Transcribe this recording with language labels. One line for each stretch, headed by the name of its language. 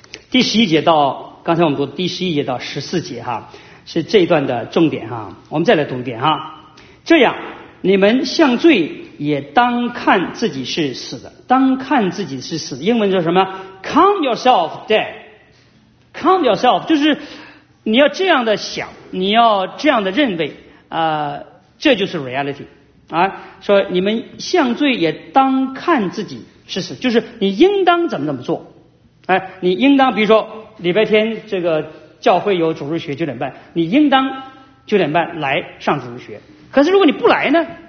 Chinese: 第十一节到刚才我们读第十一节到十四节哈，是这一段的重点哈。我们再来读一遍哈。这样，你们向罪也当看自己是死的，当看自己是死的。英文叫什么 ？
English: Count yourself dead. Count yourself
Chinese: 就是你要这样的想，你要这样的认为，这就是 reality 啊。说你们向罪也当看自己是死，就是你应当怎么怎么做。哎，你应当，比如说礼拜天这个教会有主日学9:30，你应当9:30来上主日学。可是如果你不来呢？